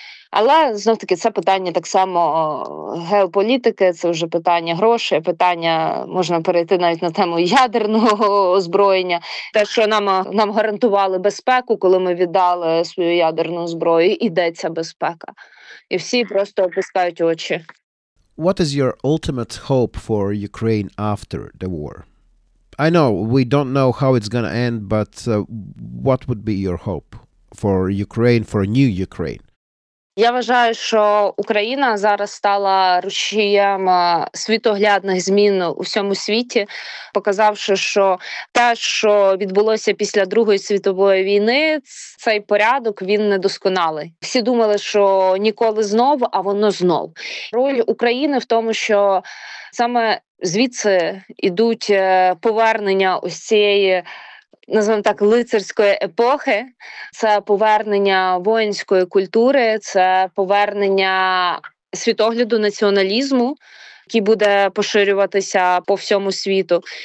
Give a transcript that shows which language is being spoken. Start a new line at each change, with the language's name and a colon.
Ukrainian: Але, знов-таки, це питання так само геополітики, це вже питання грошей, питання, можна перейти навіть на тему ядерного озброєння, те, що нам гарантували безпеку, коли ми віддали свою ядерну зброю, ідеться безпека. І всі просто опускають очі.
English: What is your ultimate hope for Ukraine after the war? I know we don't know how it's going to end, but what would be your hope for Ukraine, for a new Ukraine?
Ukrainian: Я вважаю, що Україна зараз стала рушієм світоглядних змін у всьому світі, показавши, що те, що відбулося після Другої світової війни, цей порядок, він недосконалий. Всі думали, що ніколи знову, а воно знов. Роль України в тому, що саме звідси йдуть повернення ось цієї, назвемо так, лицарської епохи, це повернення воїнської культури, це повернення світогляду націоналізму, який буде поширюватися по всьому світу.